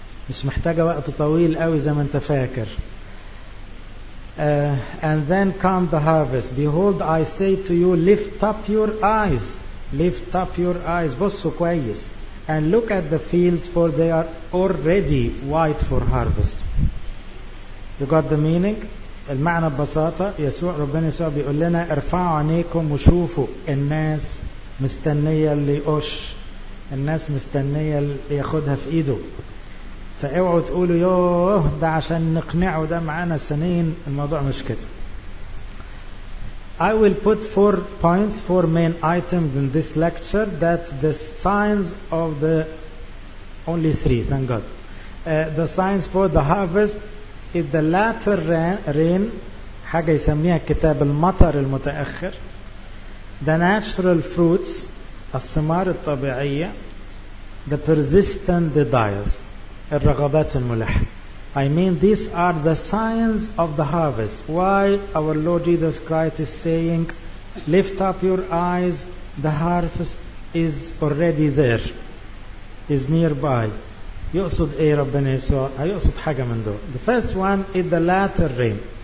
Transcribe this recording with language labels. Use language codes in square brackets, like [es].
[ar] مش محتاجة وقت طويل قوي زي ما انت فاكر. [en] And then come the harvest. Behold, I say to you, lift up your eyes. Lift up your eyes. [ar] بصوا كويس. [en] And look at the fields, for they are already white for harvest. You got the meaning? [ar] المعنى ببساطة يسوع ربنا يسوع بيقول لنا ارفعوا عينيكم وشوفوا الناس مستنية اللي يقش، الناس مستنية اللي ياخدها في ايده. فاوعوا تقولوا يوه ده عشان نقنعه ده معانا سنين، الموضوع مش كده. [en] I will put 4 points, 4 main items in this lecture that the signs of the only 3, thank God. The signs for the harvest is the latter rain, [ar] حاجة يسميها الكتاب المطر المتأخر. [en] The natural fruits, [ar] الثمار الطبيعية. [en] The persistent desires, [ar] الرغبات الملحة. [en] I mean these are the signs of the harvest. Why our Lord Jesus Christ is saying, lift up your eyes, the harvest is already there, is nearby. [ar] يقصد ايه ربنا يسوع؟ هيقصد حاجة من دول. [en] The first one is the latter rain.